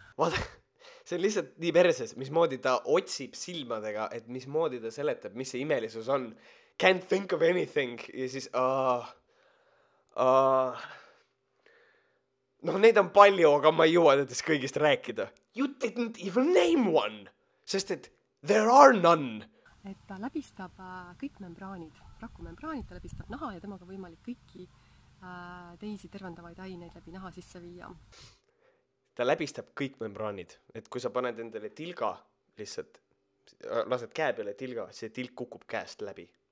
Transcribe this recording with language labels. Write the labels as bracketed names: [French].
[Estonian] Vaata. See on lihtsalt nii perses, mis moodi ta otsib silmadega, et mis moodi ta seletab, mis see imelisus on. [English] Can't think of anything. [Estonian] Ja siis, noh, neid on palju, aga ma ei jõua tõttes kõigist rääkida. [English] You didn't even name one, [Estonian] sest et [English] there are none. [Estonian] Et ta läbistab kõik membraanid, rakumembraanid, ta läbistab naha ja temaga võimalik kõiki teisi tervendavaid aineid läbi naha sisse viia. Ta läbistab kõik membraanid, et kui sa paned endale tilga, lihtsalt lased käe peale tilga, see tilk kukub käest läbi.